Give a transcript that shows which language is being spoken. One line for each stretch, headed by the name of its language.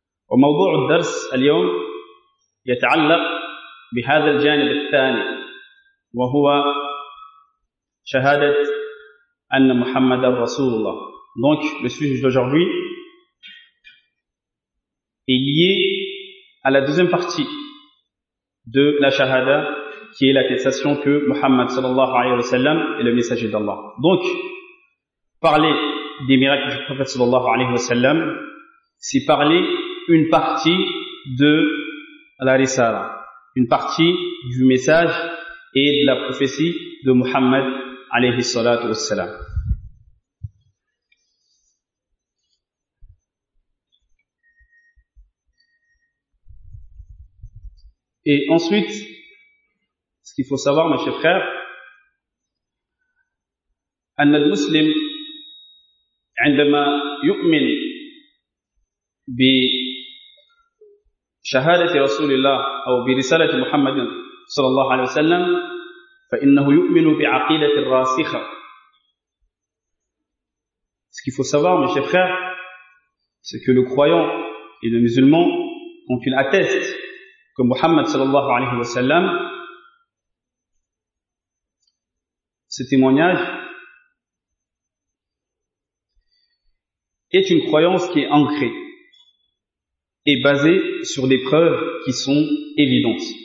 Arabic: وموضوع الدرس اليوم يتعلق بهذا الجانب الثاني وهو شهادة أن محمد رسول الله.
French: Donc le sujet d'aujourd'hui est lié à la deuxième partie de la shahada, qui est l'attestation que Muhammad sallallahu alayhi wa sallam est le messager d'Allah. Donc parler des miracles du prophète sallallahu alayhi wa sallam, c'est parler une partie de la risala, une partie du message et de la prophétie de Muhammad alayhi salatu wassalam. Et ensuite, ce qu'il faut savoir, mes chers frères,
Arabic: أن المسلم عندما يؤمن ب شهادة رسول الله أو برسالة محمد صلى الله عليه وسلم فإنه يؤمن بعقيدة راسخة.
French: Ce qu'il faut savoir, mes chers frères, c'est que le croyant et le musulman, quand il atteste que Muhammad صلى الله عليه وسلم, ce témoignage est une croyance qui est ancrée est basé sur des preuves qui sont évidentes.